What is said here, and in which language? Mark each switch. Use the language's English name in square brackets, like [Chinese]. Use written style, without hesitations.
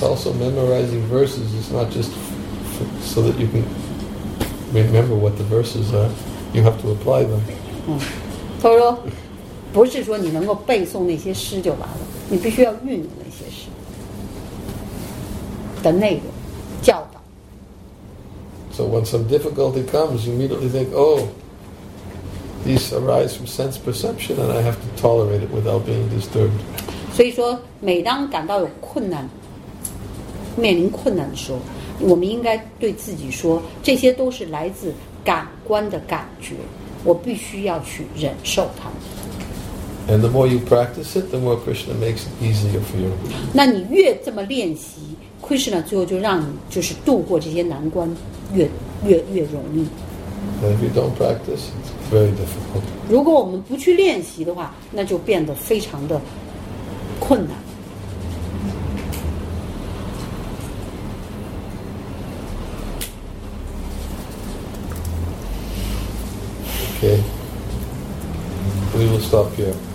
[English] So, also memorizing verses is not just so that you can remember what the verses are. You have to apply them. [Chinese] 他说，不是说你能够背诵那些诗就完了，你必须要运用那些诗的内容教导。 [English] So when some difficulty comes, you immediately think, oh. These arise from sense perception, and I have to tolerate it without being disturbed. [Chinese] 所以说，每当感到有困难，面临困难的时候，我们应该对自己说，这些都是来自感官的感觉，我必须要去忍受它们。 [English] And the more you practice it, the more Krishna makes it easier for you. [Chinese] 那你越这么练习 ，Krishna 最后就让你就是度过这些难关越容易。 [English] And if you don't practice, it's very difficult. [Chinese] 如果我们不去练习的话，那就变得非常的困难。 [English] Okay. We will stop here.